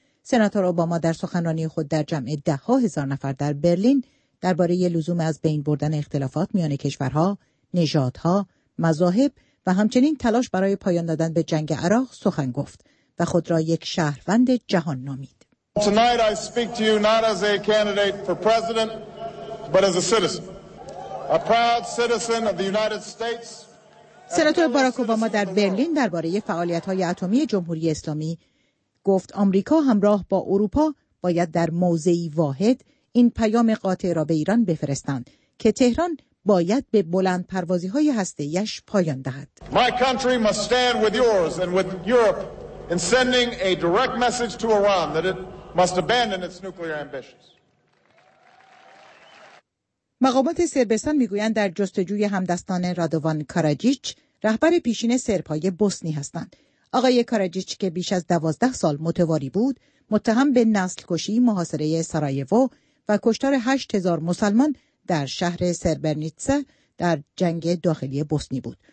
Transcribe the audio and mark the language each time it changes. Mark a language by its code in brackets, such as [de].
[fa] سناتور اوباما در سخنرانی خود در جمع 10,000 نفر در برلین درباره لزوم از بین بردن اختلافات میان کشورها، نژادها، مذاهب و همچنین تلاش برای پایان دادن به جنگ عراق سخن گفت و خود را یک شهروند جهان نامید. [en] Tonight I speak to you not as a candidate for president, but as a citizen, a proud citizen of the United States. [fa] سناتور باراک اوباما در برلین درباره فعالیت‌های اتمی جمهوری اسلامی گفت آمریکا همراه با اروپا باید در موضعی واحد این پیام قاطع را به ایران بفرستند که تهران باید به بلند پروازی‌های هسته‌ایش پایان دهد. [en] My country must stand with yours and with Europe in sending a direct message to Iran that it must abandon its nuclear ambitions. [fa] مقامات صربستان میگویند در جستجوی همدستان رادوان کاراجیچ رهبر پیشین صرب‌های بوسنی هستند. آقای کاراجیچ که بیش از 12 سال متواری بود، متهم به نسل کشی، محاصره سراییوو و کشتار 8,000 مسلمان در شهر سربرنیتسه در جنگ داخلی بوسنی بود.